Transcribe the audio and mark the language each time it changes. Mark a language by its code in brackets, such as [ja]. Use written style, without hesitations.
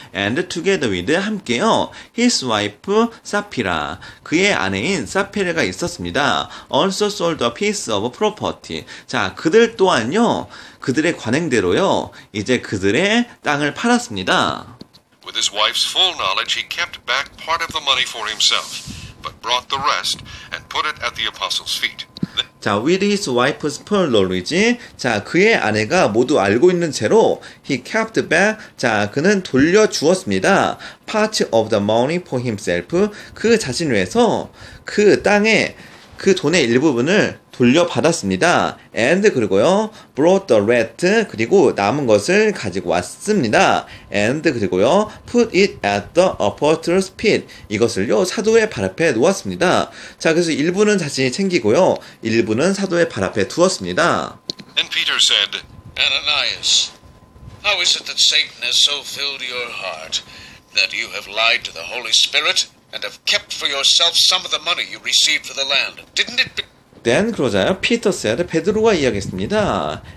[en] And together with, [ko] 함께요. [en] His wife Sapphira, [ko] 그의 아내인 Sapphira가 있었습니다. [en] Also sold a piece of property. [ko] 자, 그들 또한요, 그들의 관행대로요, 이제 그들의 땅을 팔았습니다. [en] With his wife's full knowledge, he kept back part of the money for himself. But brought the rest and put it at the apostles' feet. [ko] 자, [en] with his wife's full knowledge, [ko] 자, 그의 아내가 모두 알고 있는 채로 [en] he kept back, [ko] 자, 그는 돌려주었습니다. [en] Part of the money for himself, [ko] 그 자신을 위해서 그 땅에 그 돈의 일부분을 돌려받았습니다. And 그리고요, [en] brought the rest, [ko] 그리고 남은 것을 가지고 왔습니다. [en] And [ko] 그리고요, [en] put it at the apostles' feet. [ko] 이것을요, 사도의 발 앞에 놓았습니다. 자, 그래서 일부는 자신이 챙기고요, 일부는 사도의 발 앞에 두었습니다. [en] And Peter said, Ananias, how is it that Satan has so filled your heart that you have lied to the Holy Spirit? And have kept for yourself some of the money you received for the land. Didn't it? Then [ko] 그러자요. [en] Peter said, [ko] 베드로가 이야기했습니다.